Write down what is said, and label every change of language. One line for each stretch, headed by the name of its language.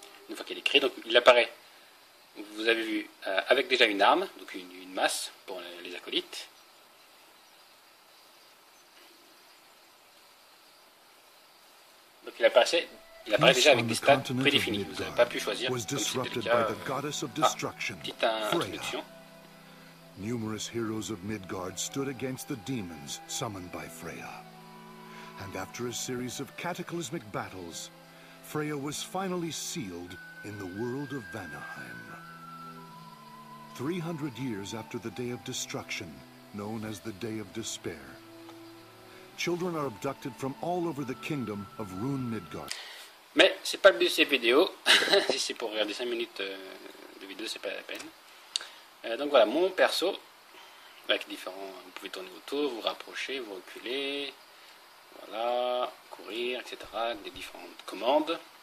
French: Une fois qu'il est créé, donc il apparaît, vous avez vu, avec déjà une arme, donc une masse pour les acolytes. Donc il apparaît déjà avec des stats prédéfinis, vous n'avez pas pu choisir, comme c'était le cas, petite introduction.
English: Numerous heroes of Midgard stood against the demons summoned by Freya. And after a series of cataclysmic battles, Freya was finally sealed in the world of Vanaheim. 300 years after the Day of Destruction, known as the Day of Despair, children are abducted from all over the kingdom of Rune Midgard.
French: Mais c'est pas le but de cette vidéo. Si c'est pour regarder 5 minutes de vidéo, c'est pas la peine. Donc voilà, mon perso, avec différents. Vous pouvez tourner autour, vous rapprocher, vous reculer. Voilà, courir, etc. Des différentes commandes.